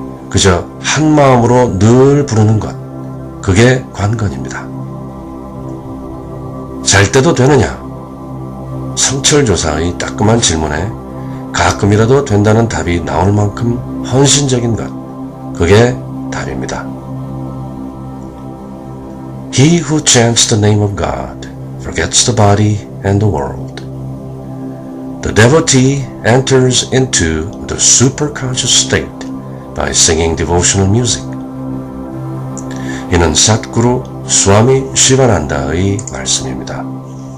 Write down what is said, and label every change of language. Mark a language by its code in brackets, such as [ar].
[ko] 그저 한 마음으로 늘 부르는 것, 그게 관건입니다. 잘 때도 되느냐? 성철조사의 따끔한 질문에 가끔이라도 된다는 답이 나올 만큼 헌신적인 것, 그게 답입니다. [en] He who chants the name of God forgets the body and the world. The devotee enters into the superconscious state by singing devotional music. [ko] 이는 삿구루 스와미 시바난다의 말씀입니다.